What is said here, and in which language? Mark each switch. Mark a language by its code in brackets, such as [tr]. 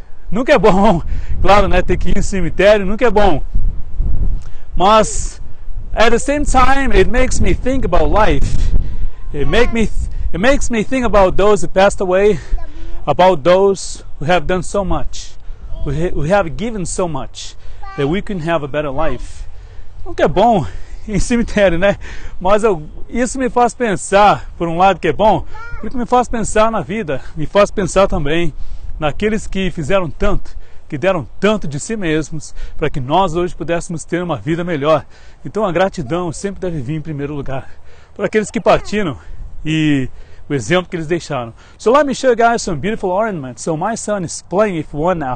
[pt] Nunca é bom, claro, né, ter que ir em cemitério, nunca é bom. [en] Mas, at the same time, it makes me think about life. It makes me think about those who passed away, about those who have done so much, who have given so much, that we can have a better life. [pt] Nunca é bom em cemitério, né? Mas isso me faz pensar, por um lado que é bom, porque me faz pensar na vida, me faz pensar também naqueles que fizeram tanto, que deram tanto de si mesmos para que nós hoje pudéssemos ter uma vida melhor. Então a gratidão sempre deve vir em primeiro lugar para aqueles que partiram e o exemplo que eles deixaram. [en] So let me show you guys some beautiful ornaments. So my son is playing with one now.